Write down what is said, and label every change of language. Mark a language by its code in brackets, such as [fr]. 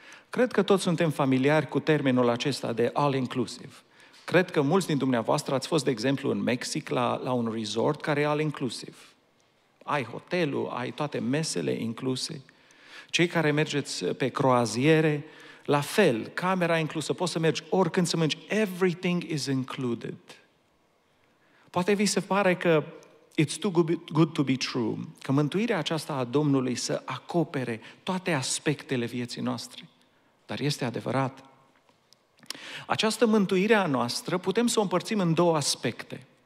[ro] Cred că toți suntem familiari cu termenul acesta de all-inclusive. Cred că mulți din dumneavoastră ați fost, de exemplu, în Mexic la un resort care e all-inclusive. Ai hotelul, ai toate mesele incluse. Cei care mergeți pe croaziere, la fel, camera inclusă, poți să mergi oricând să mergi. [en] Everything is included. [ro] Poate vi se pare că [en] it's too good to be true, [ro] că mântuirea aceasta a Domnului să acopere toate aspectele vieții noastre. Dar este adevărat. Această mântuire a noastră putem să o împărțim în două aspecte.